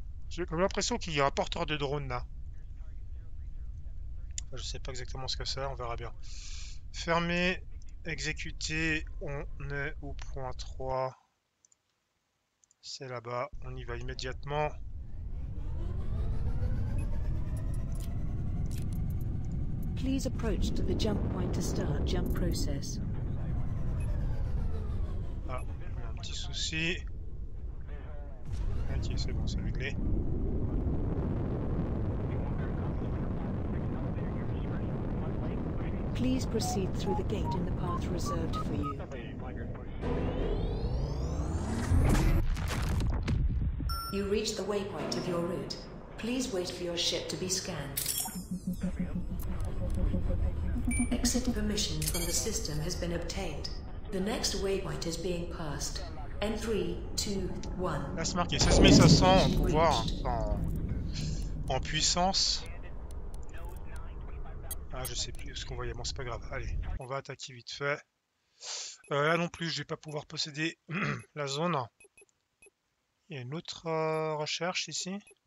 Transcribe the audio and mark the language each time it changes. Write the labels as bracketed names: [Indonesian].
[French] J'ai comme l'impression qu'il y a un porteur de drone là. Je sais pas exactement ce que c'est, on verra bien. Fermé, exécuté, on est au point 3. C'est là-bas, on y va immédiatement. [English] Please approach to the jump point to start jump process. [French] Petit souci. Ok, c'est bon, c'est réglé. [English] Please proceed through the gate in the path reserved for you. You reached the waypoint of your route. Please wait for your ship to be scanned. Exit permission from the system has been obtained. The next waypoint is being passed. N3, 2, 1. [French] Là, c'est marqué 16 500 en pouvoir, en puissance. Ah, je sais plus ce qu'on voyait. Bon, c'est pas grave. Allez, on va attaquer vite fait. Là non plus, je vais pas pouvoir posséder la zone. Il y a une autre recherche ici.